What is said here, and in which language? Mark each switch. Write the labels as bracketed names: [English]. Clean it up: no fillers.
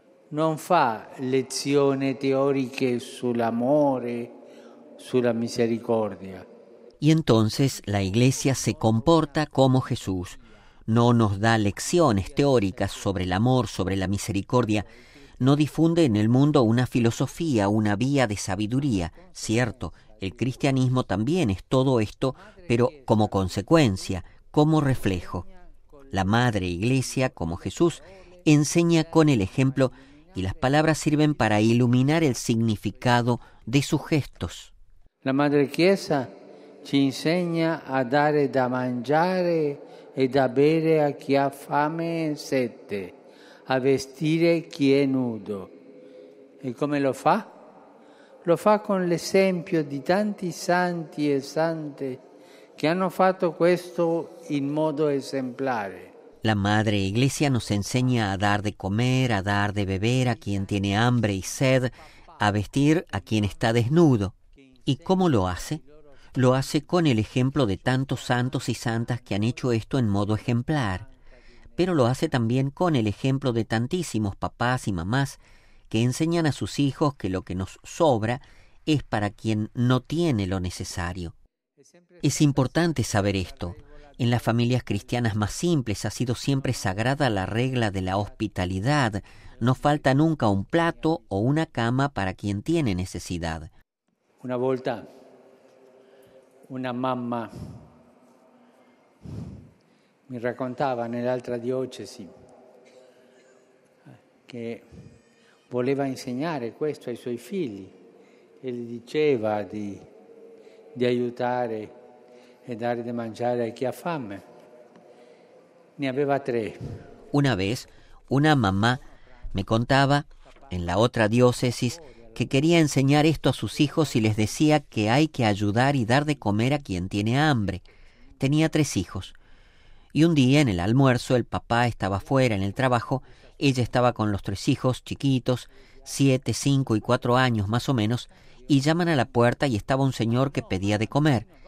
[Italian] No fa lezioni teoriche sull'amore, sulla misericordia. [Spanish] Y entonces la Iglesia se comporta como Jesús. No nos da lecciones teóricas sobre el amor, sobre la misericordia. No difunde en el mundo una filosofía, una vía de sabiduría. Cierto, el cristianismo también es todo esto, pero como consecuencia, como reflejo. La Madre Iglesia, como Jesús, enseña con el ejemplo y las palabras sirven para iluminar el significado de sus gestos. [Italian] La Madre Chiesa ci [Spanish] enseña [Italian] a dare da mangiare e da bere a chi ha fame e sete, a vestire chi è nudo. E come lo fa? Lo fa con l'esempio di tanti santi e sante che hanno fatto questo in modo esemplare. [Spanish] La Madre Iglesia nos enseña a dar de comer, a dar de beber a quien tiene hambre y sed, a vestir a quien está desnudo. ¿Y cómo lo hace? Lo hace con el ejemplo de tantos santos y santas que han hecho esto en modo ejemplar. Pero lo hace también con el ejemplo de tantísimos papás y mamás que enseñan a sus hijos que lo que nos sobra es para quien no tiene lo necesario. Es importante saber esto. En las familias cristianas más simples ha sido siempre sagrada la regla de la hospitalidad. No falta nunca un plato o una cama para quien tiene necesidad. [Italian] Una volta una mamma mi raccontava nell'altra diocesi che voleva insegnare questo ai suoi figli e gli diceva di aiutare e dare da mangiare a chi ha fame. Ne aveva tre. [Spanish] Una vez una mamá me contaba en la otra diócesis que quería enseñar esto a sus hijos y les decía que hay que ayudar y dar de comer a quien tiene hambre. Tenía tres hijos. Y un día, en el almuerzo, el papá estaba fuera en el trabajo, ella estaba con los tres hijos, chiquitos, 7, 5 y 4 años más o menos, y llaman a la puerta y estaba un señor que pedía de comer.